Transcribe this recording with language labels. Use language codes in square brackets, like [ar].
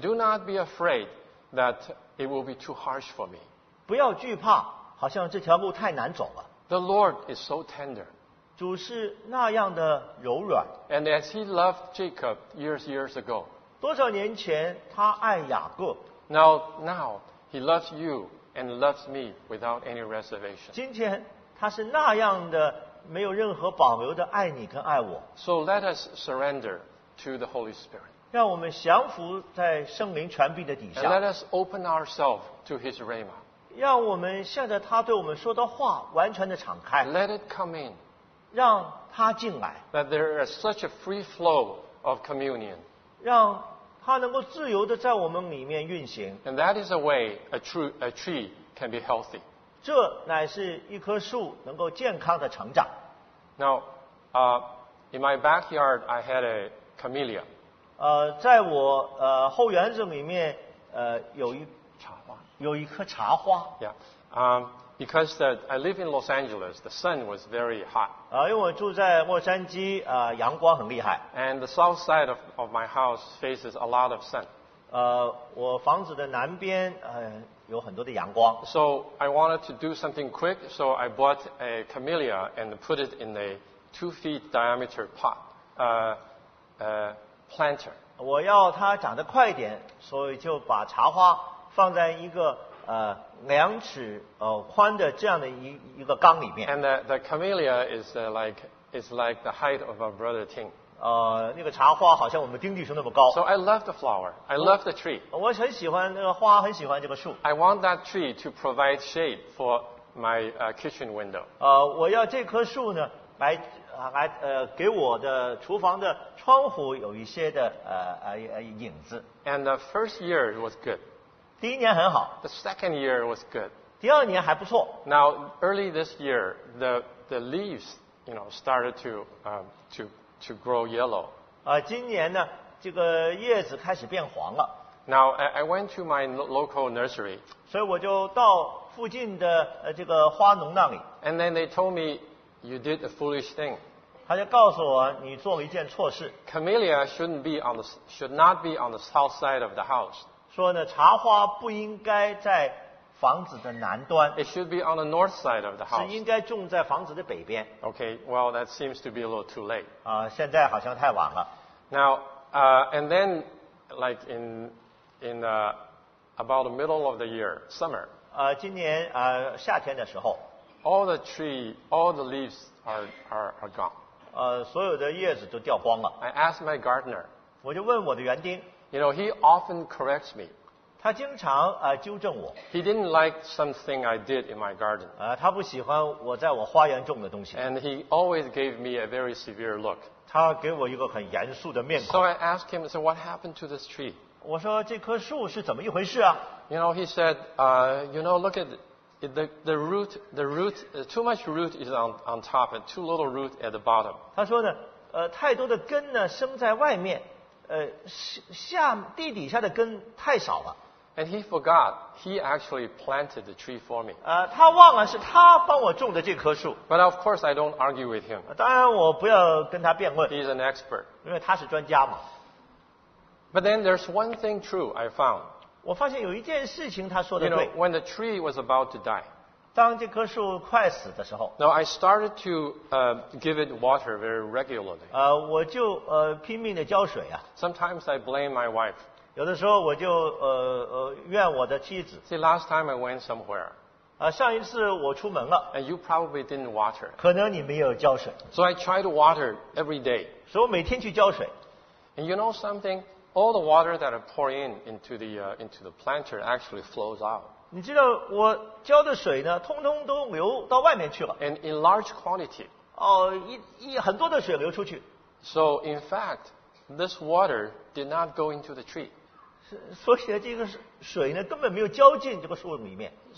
[en] do not be afraid that it will be too harsh for me. [zh] 不要惧怕,好像这条路太难走了。 [en] The Lord is so tender. [zh] 主是那样的柔软。 [en] And as he loved Jacob years ago. [zh] 多少年前他爱雅各。 [en] Now, he loves you and loves me without any reservation. [zh] 今天他是那样的没有任何保留的爱你跟爱我。 [en] So let us surrender to the Holy Spirit. [zh] 让我们降服在圣灵权柄的底下。 [en] And let us open ourselves to His rhema. [zh] 让我们向着他对我们说的话完全的敞开。 [en] Let it come in. [zh] 让他进来。 [en] That there is such a free flow of communion. [zh] 让他能够自由的在我们里面运行。 [en] And that is a way a tree can be healthy. [zh] 这乃是一棵树能够健康的成长。 [en] Now, in my backyard, I had a camellia. [zh] 在我后园子里面有一茶花，有一棵茶花。 [en] Yeah. Because I live in Los Angeles, the sun was very hot. [zh] 因为我住在洛杉矶，阳光很厉害。 [en] And the south side of my house faces a lot of sun. [zh] 我房子的南边有很多的阳光。 [en] So I wanted to do something quick, so I bought a camellia and put it in a 2 feet diameter pot. Planter. [zh] 我要它长得快一点，所以就把茶花放在一个两尺宽的这样的一个缸里面。 [en] And the camellia is like the height of our brother Ting. [zh] 那个茶花好像我们丁弟兄那么高。 [en] So I love the flower. I love the tree. [zh] 我很喜欢那个花，很喜欢这个树。 [en] I want that tree to provide shade for my kitchen window. [zh] 我要这棵树呢来。给我的厨房的窗户有一些的影子。 [en] And the first year was good. [zh] 第一年很好。 [en] The second year was good. [zh] 第二年还不错。 [en] Now early this year, the leaves, you know, started to grow yellow. [zh] 今年呢，这个叶子开始变黄了。 [en] Now I went to my local nursery. [zh] 所以我就到附近的这个花农那里。 [en] And then they told me. You did a foolish thing. [zh] 他就告诉我，你做了一件错事。 [en] Camellia should not be on the south side of the house. [zh] 说呢，茶花不应该在房子的南端。 [en] It should be on the north side of the house. [zh] 是应该种在房子的北边。 [en] Okay, well, that seems to be a little too late. [zh] 现在好像太晚了。 [en] Now, and then, like in the about the middle of the year, summer. [zh] 今年夏天的时候。 [en] All the leaves are gone. [zh] 所有的叶子都掉光了。 [en] I asked my gardener. [zh] 我就问我的园丁。 [en] You know, he often corrects me. [zh] 他经常纠正我。 [en] He didn't like something I did in my garden. [zh] 他不喜欢我在我花园种的东西。 [en] And he always gave me a very severe look. [zh] 他给我一个很严肃的面孔。 [en] So I asked him, so what happened to this tree? [zh] 我说这棵树是怎么一回事啊？ [en] You know, he said, you know, look at. The root, too much root is on top and too little root at the bottom. [zh] 他说呢，太多的根呢生在外面，下地底下的根太少了。 [en] And he forgot he actually planted the tree for me. [zh] 他忘了是他帮我种的这棵树。 [en] But of course I don't argue with him. [zh] 当然我不要跟他辩论。 [en] He's an expert. [zh] 因为他是专家嘛。 [en] But then there's one thing true I found. [zh] 我发现有一件事情他说的对。 [en] You know, when the tree was about to die, [zh] 当这棵树快死的时候。 [en] Now I started to give it water very regularly. [zh] 我就拼命的浇水啊。 [en] Sometimes I blame my wife. [zh] 有的时候我就怨我的妻子。 [en] See, last time I went somewhere. [zh] 上一次我出门了。 [en] And you probably didn't water. [zh] 可能你没有浇水。 [en] So I tried to water every day. [zh] 所以我每天去浇水。 [en] And you know something? All the water that I pour in into the planter actually flows out. [zh] 你知道我浇的水呢，通通都流到外面去了。 [en] And in large quantity. [zh] 一很多的水流出去。 [en] So in fact, this water did not go into the tree. [zh] 所以这个水呢，根本没有浇进这个树里面。